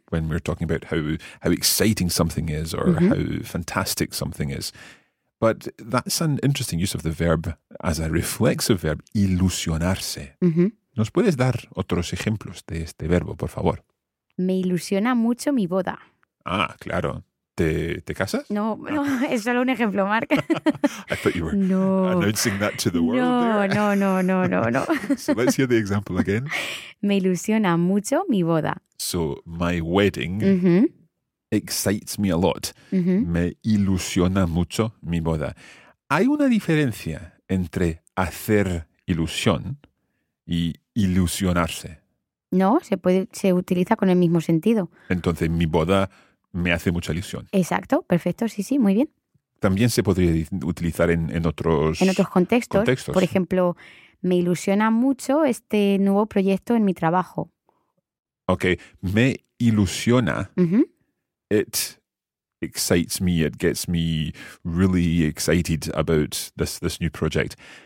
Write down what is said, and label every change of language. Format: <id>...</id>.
<en>When we're talking about how exciting something is or mm-hmm. how fantastic something is. But that's an interesting use of the verb as a reflexive verb, ilusionarse. Mm-hmm.</en> <es>¿Nos puedes dar otros ejemplos de este verbo, por favor? Me ilusiona mucho mi boda. Ah, claro. ¿Te casas? No, no, es solo un ejemplo, Mark.</es> <en>I thought you were announcing that to the world.</en> <es>No.</es> <en>So let's hear the example again.</en> <es>Me ilusiona mucho mi boda.</es> <en>So my wedding excites me a lot. Mm-hmm.</en> <es>Me ilusiona mucho mi boda. Hay una diferencia entre hacer ilusión y ilusionarse. No, se utiliza con el mismo sentido. Entonces, mi boda me hace mucha ilusión. Exacto, perfecto, sí, muy bien. También se podría utilizar en otros contextos. Por ejemplo, me ilusiona mucho este nuevo proyecto en mi trabajo. Ok, me ilusiona. Mm-hmm.</es> <en>It excites me, it gets me really excited about this new project.</en>